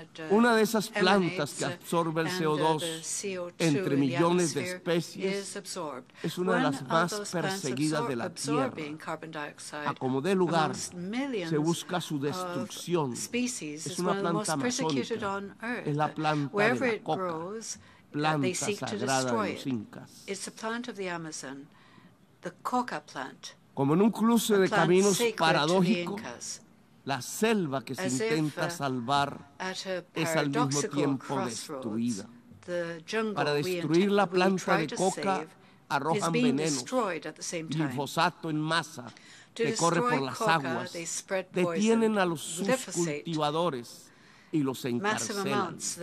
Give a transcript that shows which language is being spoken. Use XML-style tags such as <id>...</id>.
<es>Una de esas plantas que absorbe el CO2 entre millones de especies es una de las más perseguidas de la Tierra. A como dé lugar, se busca su destrucción. Es una planta amazónica, es la planta de la coca.</es> <en>It's a plant of the Amazon, the coca plant.</en> <es>Como en un cruce de caminos paradójico, la selva que se intenta salvar es al mismo tiempo destruida. Para destruir la planta de coca, arrojan veneno, glifosato en masa, que corre por las aguas, detienen a los cultivadores y los encarcelan.</es>